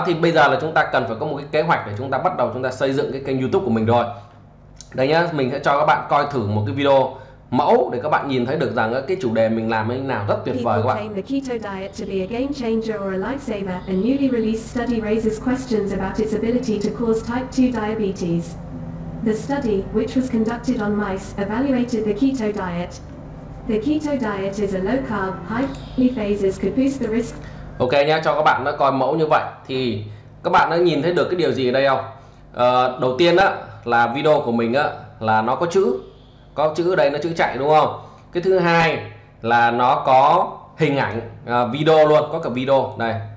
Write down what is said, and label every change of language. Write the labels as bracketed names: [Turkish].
[Vietnamese] Đó, thì bây giờ là chúng ta cần phải có một cái kế hoạch để chúng ta bắt đầu chúng ta xây dựng cái kênh YouTube của mình rồi. Đây nhá, mình sẽ cho các bạn coi thử một cái video mẫu để các bạn nhìn thấy được rằng cái chủ đề mình làm như thế nào, rất tuyệt vời các bạn. [English] The keto diet to be a game changer or a lifesaver, a newly released study raises questions about its ability to cause type 2 diabetes. The study, which was conducted on mice, evaluated the keto diet. The keto diet is a low carb, high fat phases could boost the risk. [Vietnamese] Ok nhá, cho các bạn nó coi mẫu như vậy thì các bạn đã nhìn thấy được cái điều gì ở đây không? Đầu tiên á là video của mình á là nó có chữ. Có chữ ở đây, nó chữ chạy đúng không? Cái thứ hai là nó có hình ảnh, video luôn, có cả video này.